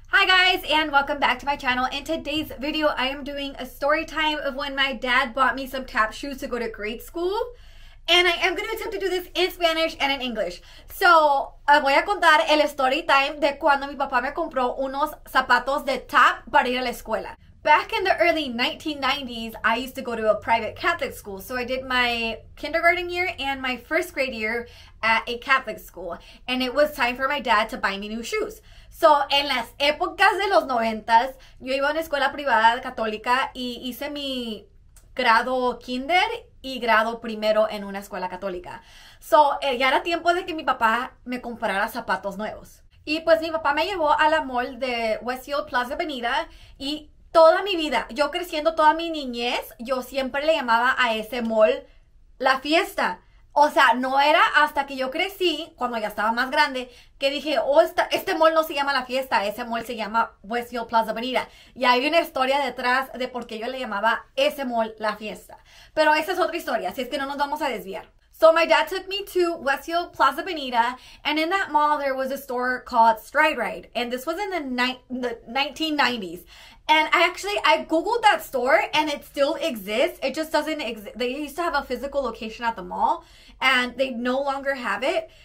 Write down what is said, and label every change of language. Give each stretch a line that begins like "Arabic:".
English: Hi guys, and welcome back to my channel. In today's video, I am doing a story time of when my dad bought me some tap shoes to go to grade school. And I am going to attempt to do this in Spanish and in English.
Spanish: So, voy a contar el story time de cuando mi papá me compró unos zapatos de tap para ir a la escuela.
English: Back in the early 1990s, I used to go to a private Catholic school. So I did my kindergarten year and my first grade year at a Catholic school. And it was time for my dad to buy me new shoes.
Spanish: So, en las épocas de los noventas, yo iba a una escuela privada católica y hice mi grado kinder y grado primero en una escuela católica. So, ya era tiempo de que mi papá me comprara zapatos nuevos. Y pues mi papá me llevó a la mall de Westfield Plaza Avenida y toda mi vida, yo creciendo toda mi niñez, yo siempre le llamaba a ese mall la fiesta. O sea, no era hasta que yo crecí, cuando ya estaba más grande, que dije, oh, este mall no se llama La Fiesta, ese mall se llama Westfield Plaza Avenida. Y hay una historia detrás de por qué yo le llamaba ese mall La Fiesta. Pero esa es otra historia, así es que no nos vamos a desviar.
English: So my dad took me to Westfield Plaza Avenida, and in that mall there was a store called Stride Ride. And this was in the 1990s. And I Googled that store and it still exists. It just doesn't exist. They used to have a physical location at the mall and they no longer have it.